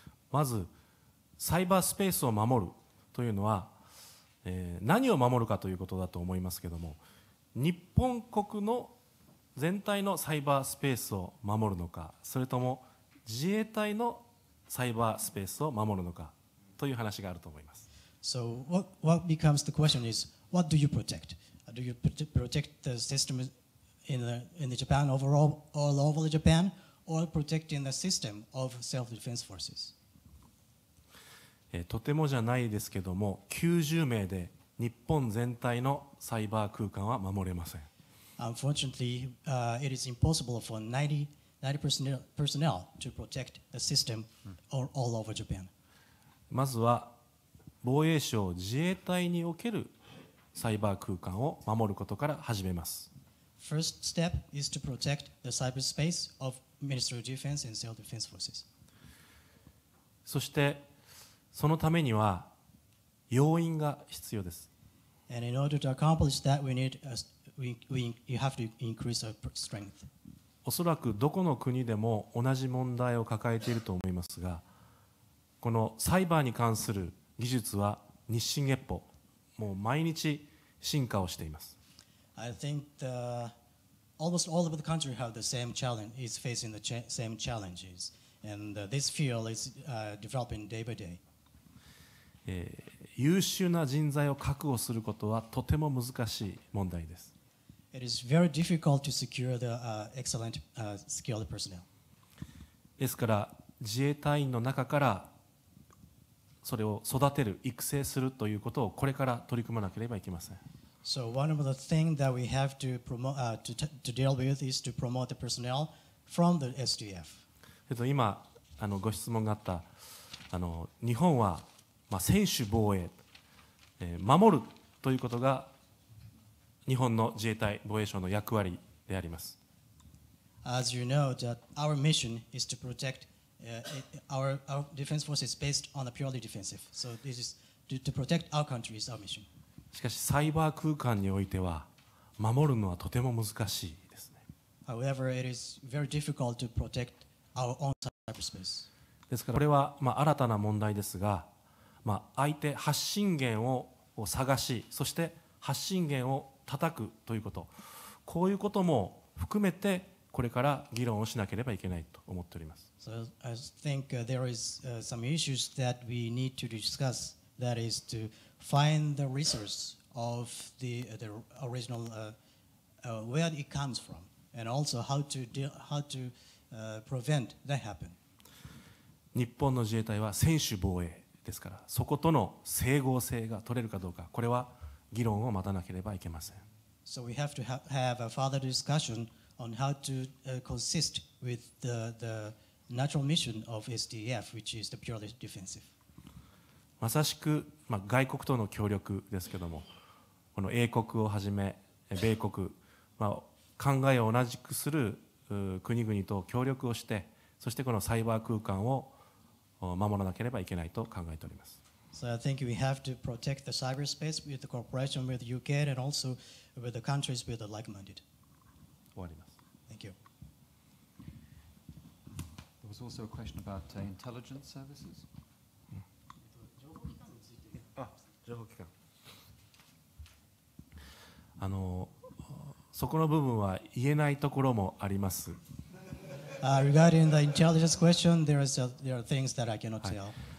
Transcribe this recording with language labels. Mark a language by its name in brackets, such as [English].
[Japanese] まずサイバースペースを守るというのは、何を守るかということだと思いますけれども、日本国の全体のサイバースペースを守るのか、それとも自衛隊のサイバースペースを守るのかという話があると思います。 [English] So what becomes the question is, what do you protect? Do you protect the system in Japan overall, all over Japan, or protecting the system of self-defense forces? [Japanese] とてもじゃないですけども、90名で日本全体のサイバー空間は守れません。 [English] Unfortunately, it is impossible for 90 personnel to protect the system all over Japan. [Japanese] まずは防衛省自衛隊におけるサイバー空間を守ることから始めます。 [English] First step is to protect the cyberspace of Ministry of Defense and Civil Defense Forces. [Japanese] そしてそのためには要員が必要です。 [English] And in order to accomplish that, we need you have to increase our strength. [Japanese] おそらくどこの国でも同じ問題を抱えていると思いますが、このサイバーに関する技術は日進月歩。もう毎日進化をしています。 [English] I think almost all of the country have the same challenge, is facing the same challenges, and this field is developing day by day. [Japanese] 優秀な人材を確保することはとても難しい問題です。 [English] It is very difficult to secure the excellent skilled personnel. [Japanese] ですから自衛隊員の中からそれを育てる、育成するということをこれから取り組まなければいけません。 [English] So one of the things that we have to promote, to deal with is to promote the personnel from the SDF. [Japanese] 今ご質問があった日本は専守防衛、守るということが日本の自衛隊防衛省の役割であります。 [English] As you know, that our mission is to protect our defense force is based on a purely defensive. So this is to protect our country is our mission. [Japanese] しかしサイバー空間においては守るのはとても難しいですね。 [English] However, it is very difficult to protect our own cyberspace. [Japanese] ですからこれは、まあ、新たな問題ですが、まあ、相手発信源を探し、そして発信源を叩くということ、こういうことも含めてこれから議論をしなければいけないと思っております。 [English] So I think there is some issues that we need to discuss. That is to find the resource of the original where it comes from, and also how to prevent that happen. [Japanese] 日本の自衛隊は専守防衛ですから、そことの整合性が取れるかどうか、これは議論を待たなければいけません。 [English] So we have to have a further discussion on how to consist with the natural mission of SDF, which is the purely defensive. [Japanese] まさしく、まあ、外国との協力ですけども、この英国をはじめ米国、まあ、考えを同じくする国々と協力をして、そしてこのサイバー空間を守らなければいけないと考えております。 [English] So I think we have to protect the cyberspace with the cooperation with UK and also with the countries with the like-minded. [Japanese] 終わります。 [English] Thank you. There was also a question about intelligence services. [Japanese] 情報機関。あのそこの部分は言えないところもあります。 [English] Regarding the intelligence question, there are things that I cannot tell.